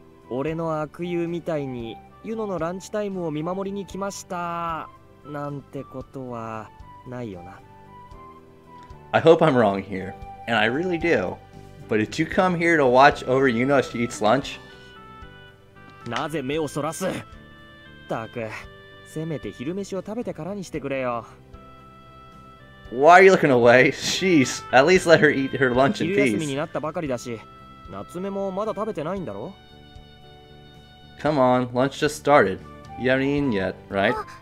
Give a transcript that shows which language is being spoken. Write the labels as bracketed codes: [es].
[ja] 俺の悪友みたいに、ユノのランチタイムを見守りに来ました。なんてことはないよな。 [en] I hope I'm wrong here, and I really do, But did you come here to watch over Yuna as she eats lunch? [ja] なぜ目をそらす? たく、せめて昼飯を食べてからにしてくれよ。 [en] Why are you looking away? Jeez, at least let her eat her lunch in peace. [ja] 昼休みになったばかりだし、夏目もまだ食べてないんだろ? [en] Come on, lunch just started. You haven't eaten yet, right?